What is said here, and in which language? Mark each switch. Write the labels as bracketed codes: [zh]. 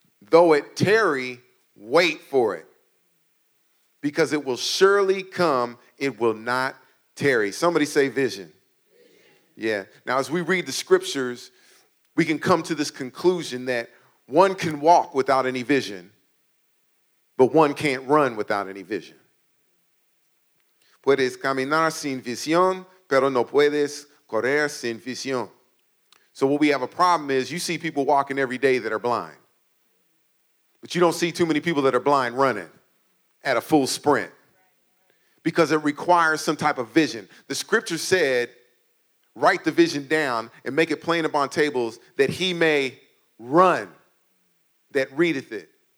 [en] Though it tarry, wait for it. Because it will surely come, it will not tarry. Somebody say vision. Vision. Yeah. Now, as we read the scriptures, we can come to this conclusion that one can walk without any vision, but one can't run without any vision. [es] Puedes caminar sin visión, pero no puedes correr sin visión. [en] So what we have a problem is you see people walking every day that are blind, but you don't see too many people that are blind running at a full sprint, because it requires some type of vision. The scripture said, write the vision down and make it plain upon tables that he may run that readeth it.